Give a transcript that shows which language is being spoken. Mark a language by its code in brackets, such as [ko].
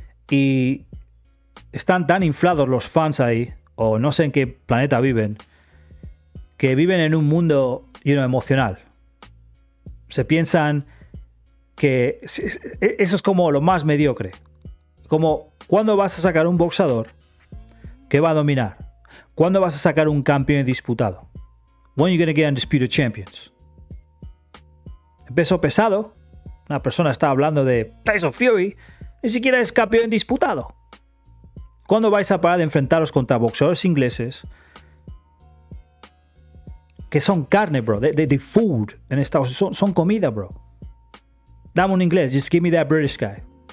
[es] Y están tan inflados los fans ahí, o no sé en qué planeta viven, que viven en un mundo lleno de emocional. Se piensan que eso es como lo más mediocre. Como, ¿cuándo vas a sacar un boxeador que va a dominar? ¿Cuándo vas a sacar un campeón disputado? [en] When you gonna get undisputed champions? [es] Peso pesado, una persona está hablando de Tyson Fury, ni siquiera es campeón disputado. ¿Cuándo vais a parar de enfrentaros contra boxeadores ingleses que son carne, bro? [en] The food [es] en Estados Unidos, son comida, bro. Dame un inglés, [en] just give me that British guy.